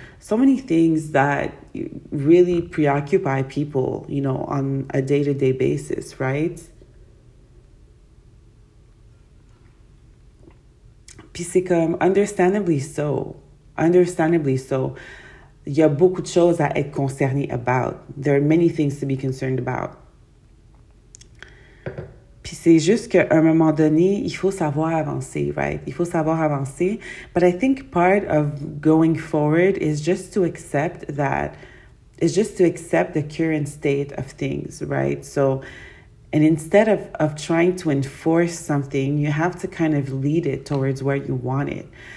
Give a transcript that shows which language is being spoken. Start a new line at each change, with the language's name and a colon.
English: So many things that really preoccupy people, you know, on a day-to-day basis, right?
French: Puis c'est comme,
English: understandably so,
French: y a beaucoup de choses à être concerné
English: about. There are many things to be concerned about.
French: Puis c'est juste qu'à un moment donné, il faut savoir avancer,
English: right?
French: Il faut savoir avancer.
English: But I think part of going forward is just to accept that, is just to accept the current state of things, right? So, and instead of trying to enforce something, you have to kind of lead it towards where you want it.